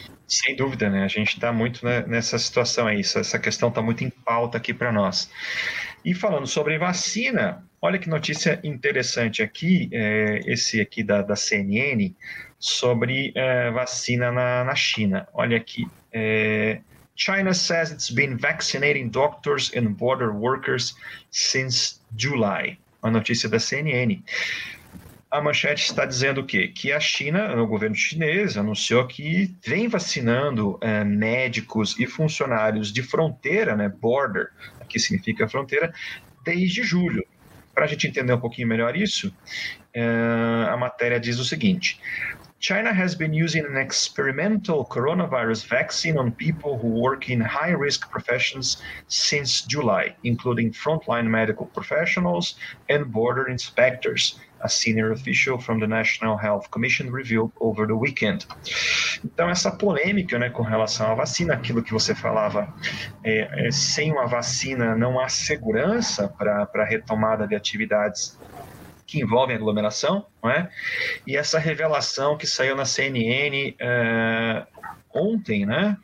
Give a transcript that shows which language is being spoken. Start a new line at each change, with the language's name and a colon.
Portuguese: Sem dúvida, né? A gente está muito nessa situação aí, essa questão está muito em pauta aqui para nós. E falando sobre vacina, olha que notícia interessante aqui, esse aqui da CNN, sobre vacina na China. Olha aqui,
English: China says it's been vaccinating doctors and border workers since July.
Portuguese: Uma notícia da CNN. A manchete está dizendo o quê? Que a China, o governo chinês, anunciou que vem vacinando médicos e funcionários de fronteira, né? Border, que significa fronteira, desde julho. Para a gente entender um pouquinho melhor isso, a matéria diz o seguinte:
English: China has been using an experimental coronavirus vaccine on people who work in high-risk professions since July, including frontline medical professionals and border inspectors, a senior official from the National Health Commission revealed over the weekend.
Portuguese: Então, essa polêmica, né, com relação à vacina, aquilo que você falava, sem uma vacina não há segurança para a retomada de atividades que envolvem aglomeração, não é? E essa revelação que saiu na CNN ontem, né?